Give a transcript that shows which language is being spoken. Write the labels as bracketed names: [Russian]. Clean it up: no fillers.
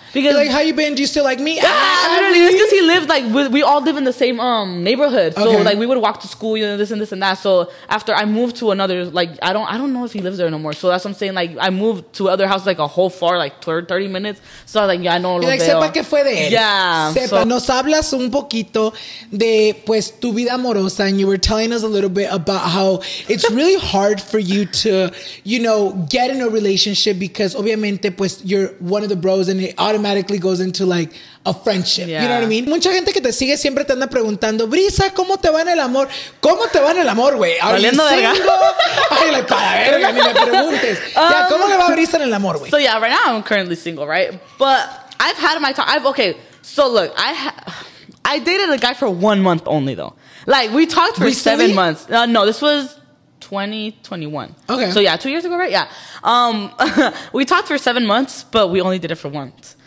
[English] Because, like, how you been? Do you still like me? Yeah, literally. It's because he lived, like, we all live in the same neighborhood. So, okay. Like, we would walk to school, you know, this and this and that. So, after I moved to another, like, I don't know if he lives there no more. So, that's what I'm saying. Like, I moved to other houses, like, a whole far, like, 30 minutes. So, I was like, yeah, [Spanish] no lo veo. Like, sepa que fue de él. [English] Yeah. [Spanish] Sepa, so, nos hablas un poquito de, pues, tu vida amorosa. [English] And you were telling us a little bit about how it's really hard for you to, you know, get in a relationship because, obviamente, pues, you're one of the bros and it automatically goes into, like, a friendship. Yeah. You know what I mean? [Spanish] Mucha gente que te sigue siempre te anda preguntando, Brisa, ¿cómo te va en el amor? ¿Cómo te va en el amor, güey? [English] ¿Are you single? Verga. [Spanish] Ay, like, para verga, ni me preguntes. ¿Cómo le va a Brisa en el amor, güey? [English] So, yeah, right now I'm currently single, right? But I've had my time. Okay, so, look, I dated a guy for 1 month only, though. Like, we talked for 7 months. No, this was 2021. Okay. So, yeah, 2 years ago, right? Yeah. we talked for 7 months, but we only did it for once.